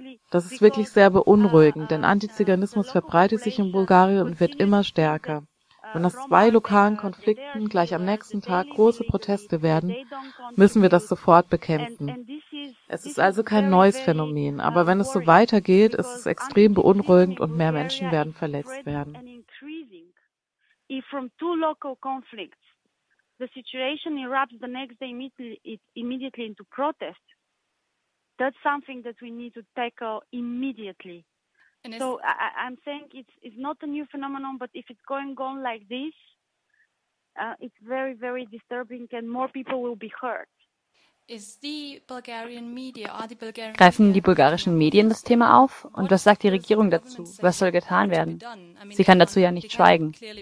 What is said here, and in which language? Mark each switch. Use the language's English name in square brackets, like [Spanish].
[German] Das ist wirklich sehr beunruhigend, denn Antiziganismus verbreitet sich in Bulgarien und wird immer stärker. Wenn aus zwei lokalen Konflikten gleich am nächsten Tag große Proteste werden, müssen wir das sofort bekämpfen. Es ist also kein neues Phänomen, aber wenn es so weitergeht, ist es extrem beunruhigend und mehr Menschen werden verletzt werden. [English] If from two local conflicts the situation erupts the next day immediately into protest, that's something that we need to tackle immediately. So I'm saying it's not a new phenomenon, but if it's going on like this, it's very, very disturbing and more people will be hurt. [German] Greifen die bulgarischen Medien das Thema auf? Und was sagt die Regierung dazu? Was soll getan werden? Sie kann dazu ja nicht schweigen.